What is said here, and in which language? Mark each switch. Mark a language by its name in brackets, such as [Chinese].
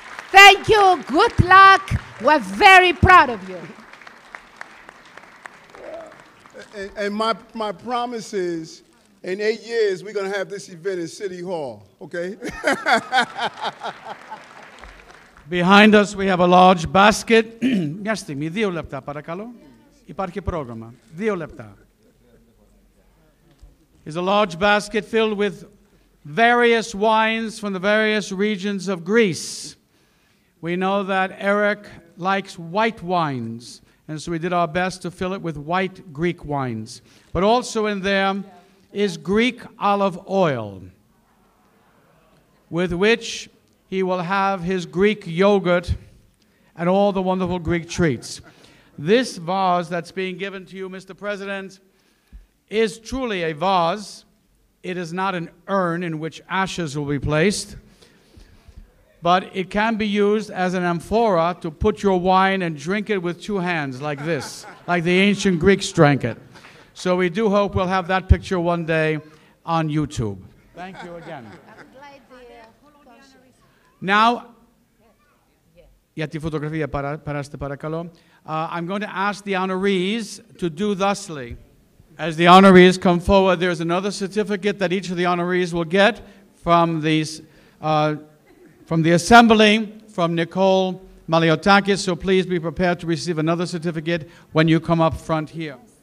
[English] Thank you, good luck. We're very proud of you. And my promise is, in 8 years, we're going to have this event in City Hall, okay? Behind us, we have a large basket. [Greek] Μια στιγμή, δύο λεπτά, παρακαλώ. Υπάρχει πρόγραμμα. Δύο λεπτά. [English] It's a large basket filled with various wines from the various regions of Greece. We know that Eric likes white wines, and so we did our best to fill it with white Greek wines. But also in there is Greek olive oil, with which he will have his Greek yogurt and all the wonderful Greek treats. This vase that's being given to you, Mr. President, is truly a vase. It is not an urn in which ashes will be placed. But it can be used as an amphora to put your wine and drink it with two hands like this, like the ancient Greeks drank it. So we do hope we'll have that picture one day on YouTube. Thank you again. [Greek] Now, για τη φωτογραφία, παράστε παρακαλώ. [English] I'm going to ask the honorees to do thusly. As the honorees come forward, there's another certificate that each of the honorees will get from these... from the assembly, from Nicole Maliotakis, so please be prepared to receive another certificate when you come up front here.